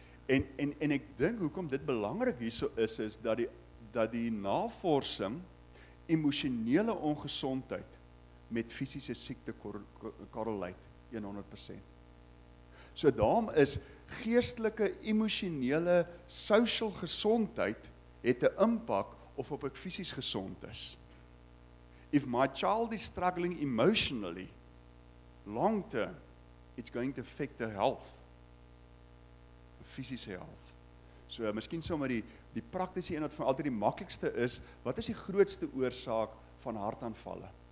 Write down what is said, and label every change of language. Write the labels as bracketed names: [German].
[Afrikaans] En ek dink hoekom dit belangrik hierso is, is dat die navorsing emosionele ongesondheid met fisiese siekte korreleit 100%. So daarom is geestelike, emosionele, social gesondheid het 'n impak of op ek fisies gesond is. [English] If my child is struggling emotionally, long term, it's going to affect their health. [Afrikaans] Fisiese health. So, miskien sommer die praktiese een wat vir altyd die maklikste is, wat is die grootste oorsaak van hartaanvalle?